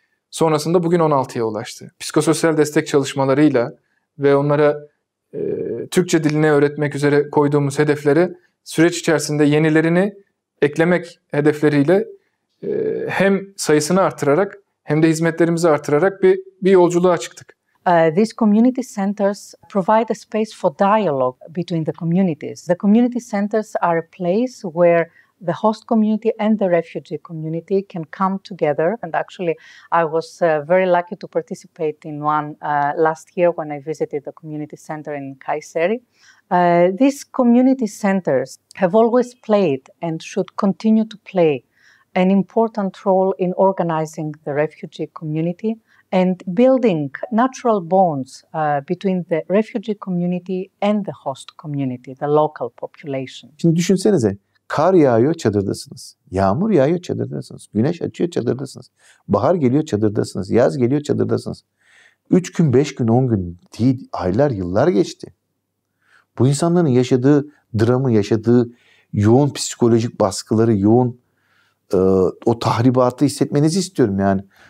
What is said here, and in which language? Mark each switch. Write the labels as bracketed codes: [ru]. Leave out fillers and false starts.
[tr] Sonrasında bugün 16'ya ulaştı. Psikososyal destek çalışmalarıyla ve onlara Türkçe dilini öğretmek üzere koyduğumuz hedefleri süreç içerisinde yenilerini eklemek hedefleriyle hem sayısını artırarak hem de hizmetlerimizi artırarak bir yolculuğa çıktık. [en] These community centers provide a space for dialogue between the communities. The community centers are a place where the host community and the refugee community can come together. And actually, I was very lucky to participate in one last year when I visited the community center in Kayseri. These community centers have always played and should continue to play an important role in organizing the refugee community and building natural bonds between the refugee community and the host community, the local population. [tr] Şimdi düşünsenize, kar yağıyor çadırdasınız, yağmur yağıyor çadırdasınız, güneş açıyor çadırdasınız, bahar geliyor çadırdasınız, yaz geliyor çadırdasınız. 3 gün, 5 gün, 10 gün değil, aylar, yıllar geçti. Bu insanların yaşadığı dramı, yaşadığı yoğun psikolojik baskıları, yoğun o tahribatı hissetmenizi istiyorum yani.